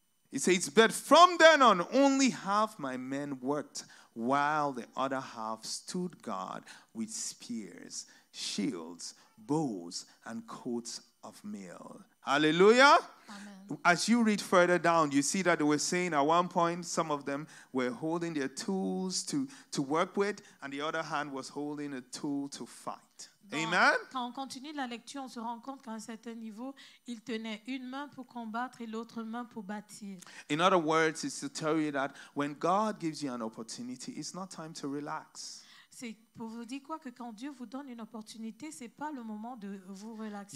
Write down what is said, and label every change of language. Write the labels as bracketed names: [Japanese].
[English] It says, but from then on, only half my men worked, while the other half stood guard with spears, shields, bows, and coats of mail. Hallelujah. Amen. As you read further down, you see that they were saying at one point some of them were holding their tools to work with, and the other hand was holding a tool to fight. Amen. [French] Quand on continue la lecture, on se rend compte qu'à un certain niveau, il tenait une main pour combattre et l'autre main pour bâtir. [English] In other words, it's to tell you that when God gives you an opportunity, it's not time to relax. [French] C'est pour vous dire quoi que quand Dieu vous donne une opportunité, c'est pas le moment de vous relaxer.